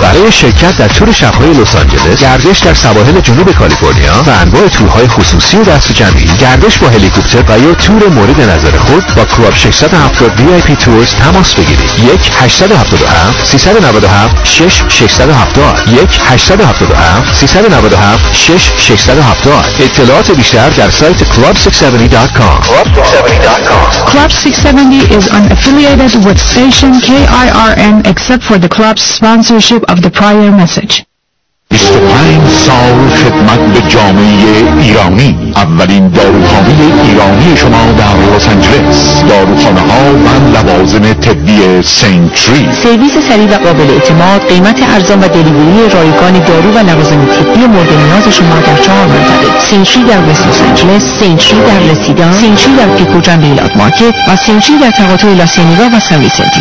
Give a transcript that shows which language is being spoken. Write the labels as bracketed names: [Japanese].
[Persian] برای شرکت در تور شب‌های لس آنجلس، گردش در سواحل جنوب کالیفرنیا و انواع تورهای خصوصی و دست جمعی، گردش با هلیکوپتر و یا تور مورد نظر خود با کراپ 670 وی آی پی تورز تماس بگیرید. 1-877-397-6670 1-877-397-6670. اطلاعات بیشتر در سایت club670.com. [English] Club 670 is unaffiliated with station KIRN except for the club's sponsorship of the prior message. [Persian] 25 سال خدمت به جامعه ایرانی. اولین داروخانه ایرانی شما در لس آنجلس. داروخانه ها و لوازم طبی سنتری. سرویس سریع و قابل اعتماد، قیمت ارزان و دلیوری رایگان دارو و لوازم طبی مورد نیاز شما در 4 منطقه: سنتری در وست لس آنجلس، سنتری در رسیدا، سنتری در پیکو جنب ایلات مارکت و سنتری در تقاطع لاسینگا و سان ویسنتی.